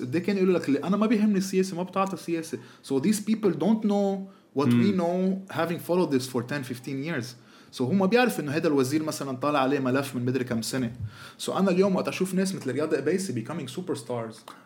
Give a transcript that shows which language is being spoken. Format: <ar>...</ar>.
<en>They can</en> <ar>يقول لك أنا ما بيهمني السياسة ما بتعطي السياسة.</ar> <en>So these people don't know what we know having followed this for 10-15 years. So</en> <ar>هو ما بيعرف إنه هذا الوزير مثلاً طالع عليه ملف من مدري كم سنة.</ar> <en>So</en> <ar>أنا اليوم وقت أشوف ناس مثل رياض إباسي</ar> <en>becoming superstars.</en>